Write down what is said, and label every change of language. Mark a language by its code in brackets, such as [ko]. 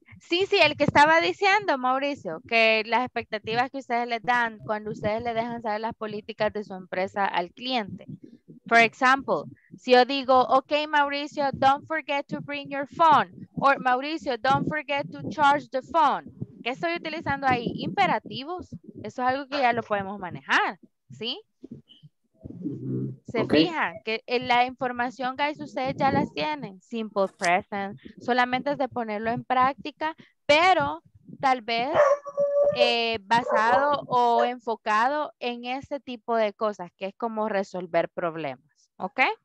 [es] Sí, sí, el que estaba diciendo, Mauricio, que las expectativas que ustedes le dan cuando ustedes le dejan saber las políticas de su empresa al cliente. [en] For example, [es] si yo digo, [en] okay, Mauricio, don't forget to bring your phone. Or, Mauricio, don't forget to charge the phone. [es] ¿Qué estoy utilizando ahí? Imperativos. Eso es algo que ya lo podemos manejar, ¿sí? Se fija que en la información, guys, ustedes ya las tienen. Simple present. Solamente es de ponerlo en práctica, pero tal vez basado o enfocado en ese tipo de cosas, que es como resolver problemas, ¿ok?